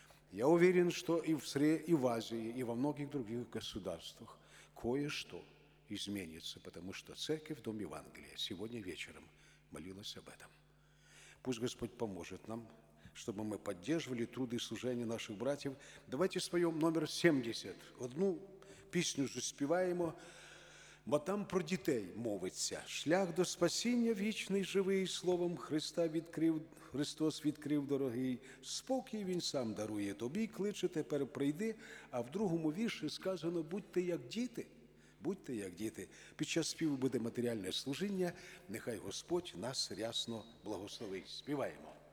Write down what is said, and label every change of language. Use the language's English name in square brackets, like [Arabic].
[Russian] Я уверен, что и в СРЕ, и в Азии, и во многих других государствах кое-что изменится, потому что церковь в Дом Евангелия сегодня вечером молилась об этом. Пусть Господь поможет нам, чтобы мы поддерживали труды и служения наших братьев. Давайте споем номер 70. Одну песню же спеваем. «Бо там про детей [Ukrainian] мовиться. Шлях до спасения вечный живый, словом Христа відкрив, Христос відкрив дорогий. Спокій Він сам дарує тобі, кличе тепер прийди». А в другому вірші сказано «Будьте як діти». Будьте як діти. Під час співу буде матеріальне служіння. Нехай Господь нас рясно благословить. Співаємо.